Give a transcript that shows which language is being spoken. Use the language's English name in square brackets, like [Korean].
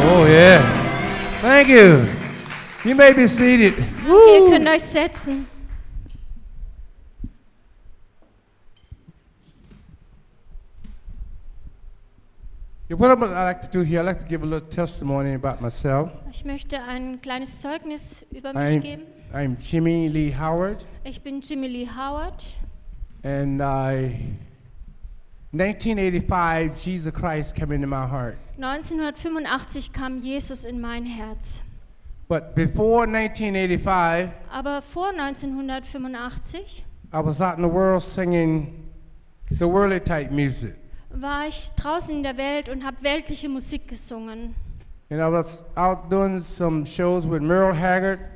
[English] Oh yeah. Thank you. You may be seated. [German] Woo. Ihr könnt euch setzen. [English] What I'd like to do here, I'd like to give a little testimony about myself. [German] Ich möchte ein kleines Zeugnis über mich geben. [English] I'm Jimmy Lee Howard. [German] Ich bin Jimmy Lee Howard. [English] And 1985, Jesus Christ came into my heart. [German] 1985 kam Jesus in mein Herz. [English] But before 1985, [German] aber vor 1985, [English] I was out in the world singing the worldly type music. [German] War ich draußen in der Welt und habe weltliche Musik gesungen. [English] And I was out doing some shows with Merle Haggard.